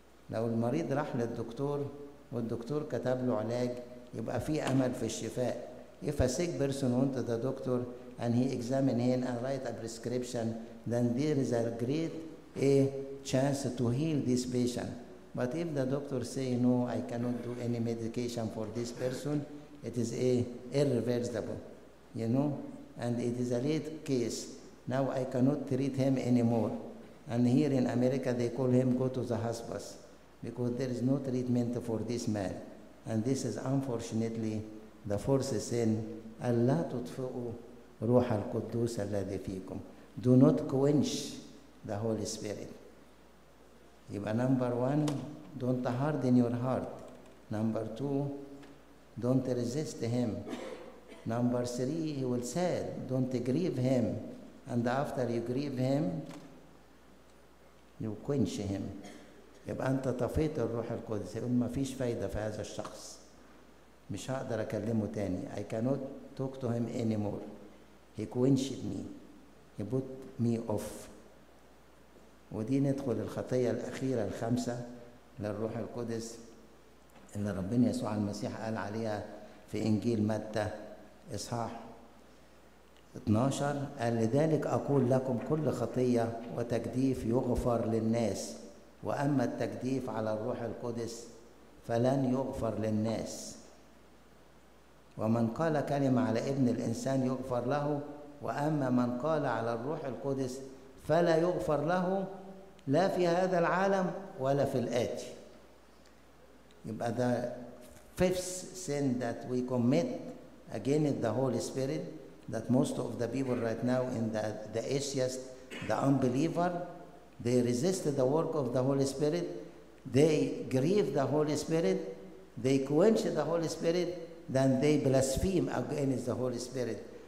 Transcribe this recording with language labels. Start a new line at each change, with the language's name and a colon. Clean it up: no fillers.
Arabic: لو المريض راح للدكتور والدكتور كتب له علاج يبقى في أمل في الشفاء.
English: If a sick person went to the doctor and he examined him and write a prescription, then there is a great chance to heal this patient. But if the doctor say, no, I cannot do any medication for this person, it is irreversible, you know? And it is a late case. Now I cannot treat him anymore. And here in America, they call him go to the hospice because there is no treatment for this man. And this is unfortunately the fourth sin.
Arabic: Allah tutfu'u ruh al-Quddus alladhi fikum.
English: Do not quench the Holy Spirit. Number one, don't harden your heart. Number two, don't resist him. Number three, he will say, don't grieve him. And after you grieve him, you quench him.
Arabic: يبقى أنت طفيت الروح القدس. يقول ما فيش فايدة في هذا الشخص. مش هقدر أكلمه تاني.
English: I cannot talk to him anymore. He quenched me. He put me off.
Arabic: ودي ندخل الخطية الأخيرة الخامسة للروح القدس اللي ربنا يسوع المسيح قال عليها في إنجيل متى إصحاح 12. قال لذلك أقول لكم كل خطية وتجديف يغفر للناس وأما التجديف على الروح القدس فلن يغفر للناس ومن قال كلمة على ابن الإنسان يغفر له وأما من قال على الروح القدس فلا يغفر له لا في هذا العالم ولا في الآتي.
English: يبقى the fifth sin that we commit against the Holy Spirit that most of the people right now in the atheist, the unbeliever, they resist the work of the Holy Spirit, they grieve the Holy Spirit, they quench the Holy Spirit, then they blaspheme against the Holy Spirit.